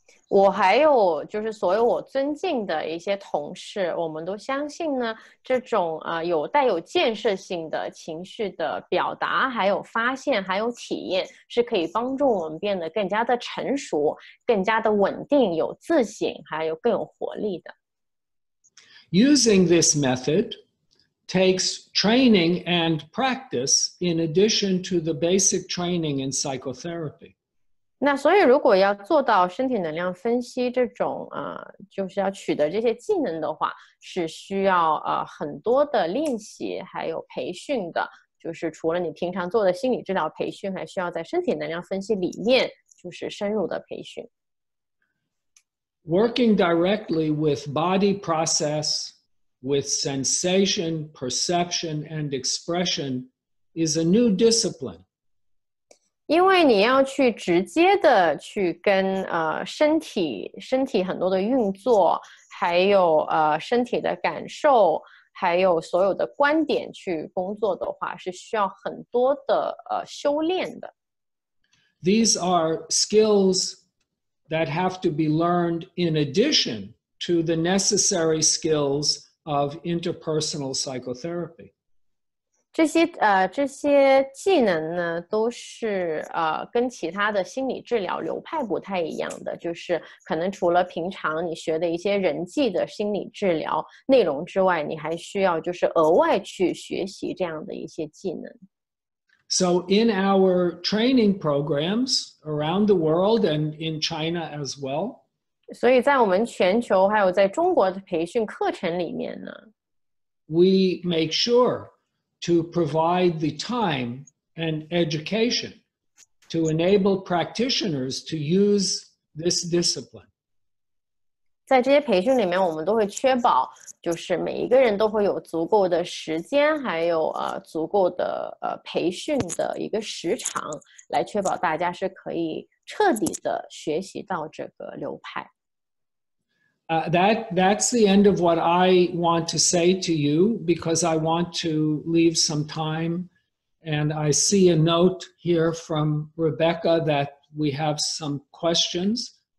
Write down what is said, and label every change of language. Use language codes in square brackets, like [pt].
[zh] 我还有就是所有我尊敬的一些同事，我们都相信呢，这种有带有建设性的情绪的表达，还有发现，还有体验，是可以帮助我们变得更加的成熟，更加的稳定，有自省，还有更有活力的。 [en] Using this method takes training and practice in addition to the basic training in psychotherapy. [zh] 那所以如果要做到身体能量分析这种、就是要取得这些技能的话是需要、很多的练习还有培训的就是除了你平常做的心理治疗培训还需要在身体能量分析里面就是深入的培训 [en] Working directly with body process, with sensation, perception, and expression is a new discipline. [zh] 因为你要去直接的去跟、身体很多的运作还有、身体的感受还有所有的观点去工作的话是需要很多的、修炼的 [en] These are skills that have to be learned in addition to the necessary skills of interpersonal psychotherapy. [zh] 这些技能呢都是、跟其他的心理治疗流派不太一样的就是可能除了平常你学的一些人际的心理治疗内容之外你还需要就是额外去学习这样的一些技能 [en] So in our training programs around the world and in China as well [zh] 所以在我们全球还有在中国的培训课程里面呢 [en] We make sureTo provide the time and education to enable practitioners to use this discipline. [zh] 在这些培训里面，我们都会确保，就是每一个人都会有足够的时间，还有足够的培训的一个时长，来确保大家是可以彻底的学习到这个流派。 [en] That's the end of what I want to say to you because I want to leave some time and I see a note here from Rebecca that we have some questions.